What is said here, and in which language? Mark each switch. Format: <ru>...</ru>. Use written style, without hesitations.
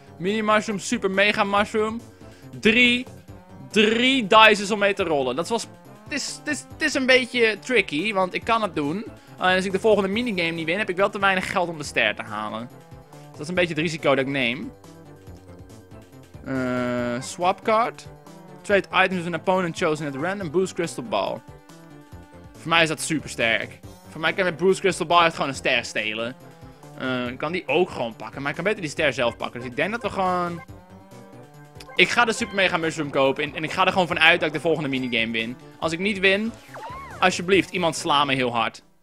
<nl>Mini mushroom, super mega mushroom. 3 dices om mee te rollen. Dat was. Het is een beetje tricky, want ik kan het doen. En als ik de volgende minigame niet win, heb ik wel te weinig geld om de ster te halen. Dus dat is een beetje het risico dat ik neem.</nl> <en>Swap card. Trade items with an opponent chosen at random. Boost crystal ball.</en> <nl>Voor mij is dat super sterk. Voor mij kan ik met boost crystal ball echt gewoon een ster stelen. Ik kan die ook gewoon pakken, maar ik kan beter die ster zelf pakken. Dus ik denk dat we gewoon... Ik ga de super mega mushroom kopen en ik ga er gewoon vanuit dat ik de volgende minigame win. Als ik niet win, alsjeblieft, iemand sla me heel hard.</nl>